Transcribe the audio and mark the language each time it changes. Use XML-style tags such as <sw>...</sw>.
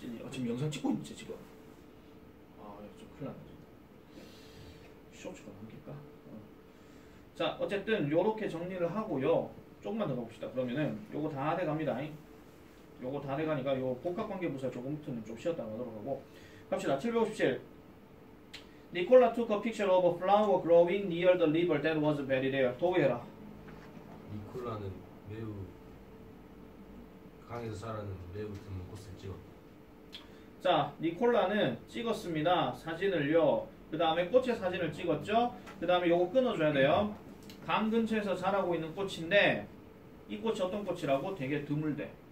<ko>지금 영상 찍고 있는지 지금. 아, 좀 큰일 났네. 쇼츠가 넘길까? 자, 어쨌든 요렇게 정리를 하고요. 조금만 더 봅시다. 그러면은 요거 다 돼갑니다. 요거 다 돼가니까 요 복합관계부사 조금부터는 좀 쉬었다 가도록 하고 갑시다. 757.</ko> <en>Nicola took a picture of a flower growing near the river that was very rare.</en> <ko>도우해라. 니콜라는 매우 강에서 자라는 매우 드문 꽃을 찍었다. 자, 니콜라는 찍었습니다. 사진을요. 그 다음에 꽃의 사진을 찍었죠. 그 다음에 요거 끊어줘야 돼요. 강 근처에서 자라고 있는 꽃인데 이 꽃이 어떤 꽃이라고? 되게 드물대.</ko>